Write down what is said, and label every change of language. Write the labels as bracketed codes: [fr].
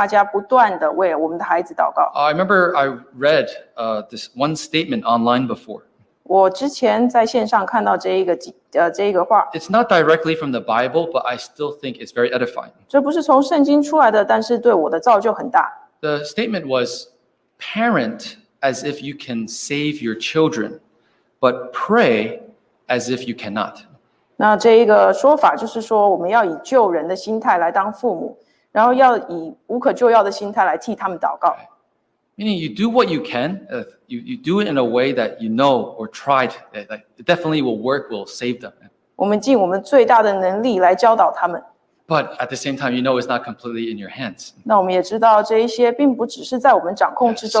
[zh] 我们其实都很清楚了，但是我要提醒大家不断地为我们的孩子祷告。 [en] I remember I read this one statement online before. [zh] 我之前在线上看到这一个话。 [en] It's not directly from the Bible, but I still think it's very edifying. [zh] 这不是从圣经出来的，但是对我的造就很大。 [en] The statement was, parent as if you can save your children, but pray as if you cannot. [zh] 那这一个说法就是说，我们要以救人的心态来当父母，然后要以无可救药的心态来替他们祷告。 [en] Meaning you do what you can, you do it in a way that you know or tried, like definitely will work, will save them. [zh] 我们尽我们最大的能力来教导他们。 [en] But at the same time, you know it's not completely in your hands. [zh] 那我们也知道这一些并不只是在我们掌控之中。